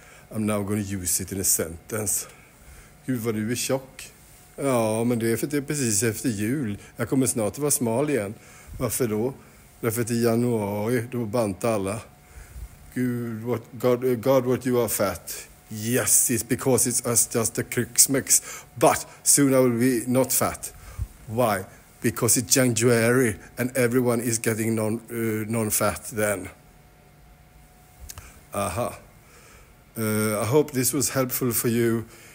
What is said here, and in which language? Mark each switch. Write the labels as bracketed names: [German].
[English] I'm now going to use it in a sentence. [Swedish] Gud vad du är tjock. Ja, men det är för att det är precis efter jul. Jag kommer snart att vara smal igen. Varför då? Därför att i januari, då bantar alla. [English] Gud, what you are fat. Yes, it's because it's us just a crux mix. But soon I will be not fat. Why? Because it's January and everyone is getting non-fat then. Aha. I hope this was helpful for you.